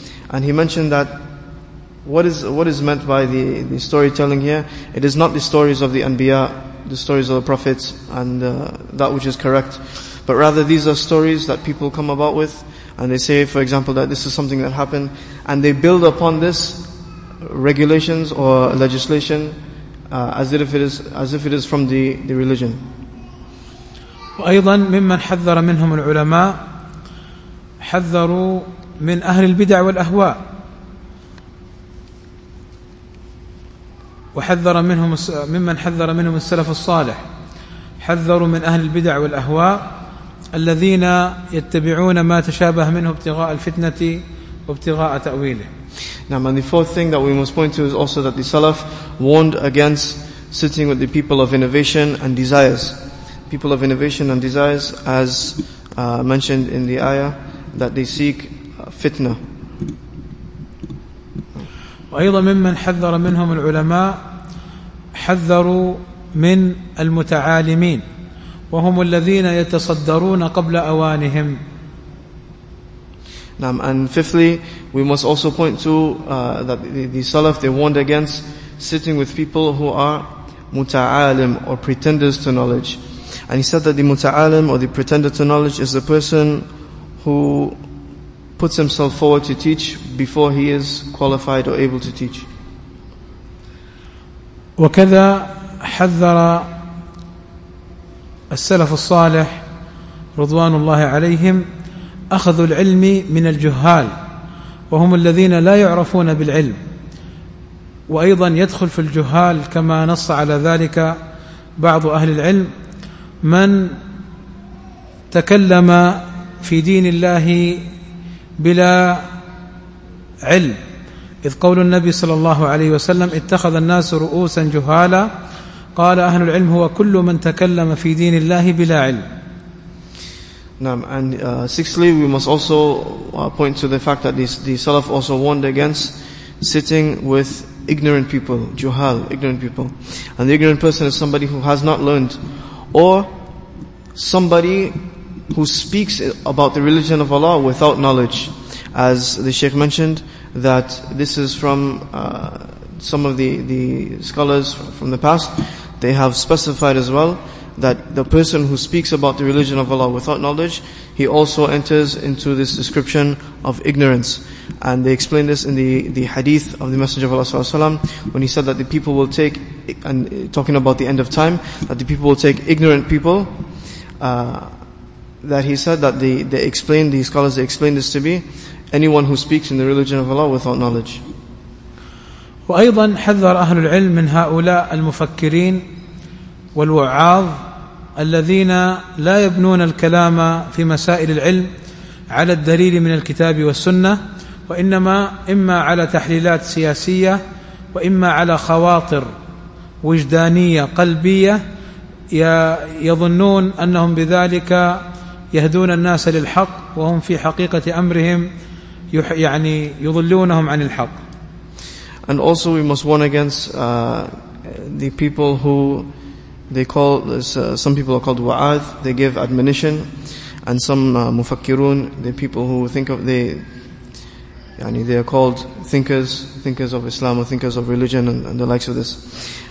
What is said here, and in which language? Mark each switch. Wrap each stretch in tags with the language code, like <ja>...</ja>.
<en>And he mentioned that what is meant by the storytelling here, it is not the stories of the Anbiya, the stories of the Prophets, and that which is correct. But rather these are stories that people come about with, and they say, for example, that this is something that happened, and they build upon this regulations or legislation as if it is from the religion.</en> <ar>وأيضا ممن حذر منهم العلماء حذروا من أهل البدع والأهواء وحذر منهم ممن حذر منهم السلف الصالح حذروا من أهل البدع والأهواء الذين يتبعون ما تشابه منه ابتغاء الفتنة وابتغاء تأويله.</ar> <en>Now, and the fourth thing that we must point to is also that the Salaf warned against sitting with the people of innovation and desires. People of innovation and desires, as mentioned in the ayah, that they seek fitna.</en> <ar>وأيضا ممن حذر منهم العلماء حذروا من المتعالمين وهم الذين يتصدرون قبل أوانهم.</ar> <en>Now, and fifthly, we must also point to that the Salaf, they warned against sitting with people who are muta'alim, or pretenders to knowledge. And he said that the muta'alim, or the pretender to knowledge, is the person who puts himself forward to teach before he is qualified or able to teach.</en> <ar>وكذا حذر السلف الصالح رضوان الله عليهم أخذوا العلم من الجهال وهم الذين لا يعرفون بالعلم وأيضا يدخل في الجهال كما نص على ذلك بعض أهل العلم من تكلم في دين الله بلا علم إذ قول النبي صلى الله عليه وسلم اتخذ الناس رؤوسا جهالا قال أهل العلم هو كل من تكلم في دين الله بلا علم.</ar> <en>Now, and sixthly, we must also point to the fact that the Salaf also warned against sitting with ignorant people, juhal, ignorant people. And the ignorant person is somebody who has not learned, or somebody who speaks about the religion of Allah without knowledge. As the Shaykh mentioned, that this is from some of the scholars from the past, they have specified as well, that the person who speaks about the religion of Allah without knowledge, he also enters into this description of ignorance. And they explain this in the hadith of the Messenger of Allah Sallallahu Alaihi Wasallam, when he said that the people will take, and talking about the end of time, that the people will take ignorant people, that he said that the scholars explain this to be anyone who speaks in the religion of Allah without knowledge.</en> <ar>وأيضا حذر أهل العلم من هؤلاء المفكرين والوعاظ الذين لا يبنون الكلام في مسائل العلم على الدليل من الكتاب والسنة وإنما إما على تحليلات سياسية وإما على خواطر وجدانية قلبية يظنون أنهم بذلك يهدون الناس للحق وهم في حقيقة أمرهم يعني يضلونهم عن الحق.</ar> <en>And also we must warn against the people who they call, some people are called wa'ad, they give admonition, and some mufakkirun, the people who think of, they are called thinkers of Islam or thinkers of religion and the likes of this.</en>